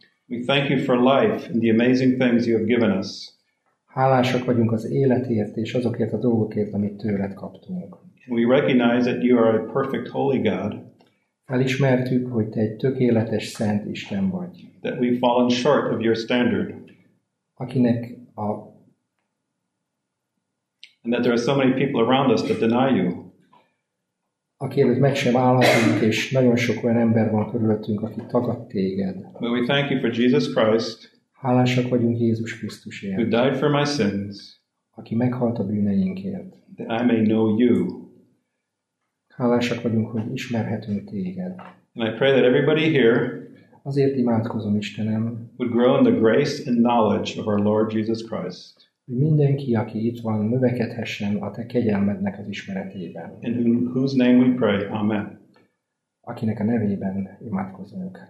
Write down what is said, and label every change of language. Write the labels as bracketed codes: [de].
[en] We thank you for life and the amazing things you have given us. [hu] Hálásak vagyunk az életért és azokért a dolgokért, amit tőled kaptunk. [en] We recognize that you are a perfect holy God. [hu] Elismertük, hogy te egy tökéletes szent Isten vagy. [en] That we've fallen short of your standard. [hu] Akinek a [en] And that there are so many people around us that deny you. [hu] Aki előtt meg sem állhatunk, és nagyon sok olyan ember van körülöttünk, aki tagad téged. [en] But we thank you for Jesus Christ. [hu] Hálásak vagyunk Jézus Krisztusért. [en] Who died for my sins. [hu] aki meghalt a bűneinkért. [en] That I may know you. [hu] Hálásak vagyunk, hogy ismerhetünk téged. [en] And I pray that everybody here [hu] azért imádkozom, Istenem, [en] would grow in the grace and knowledge of our Lord Jesus Christ. [hu] Mindenki, aki itt van, növekedhessen a te kegyelmednek az ismeretében. [en] In whose name we pray. Amen. [hu] Akinek a nevében imádkozunk.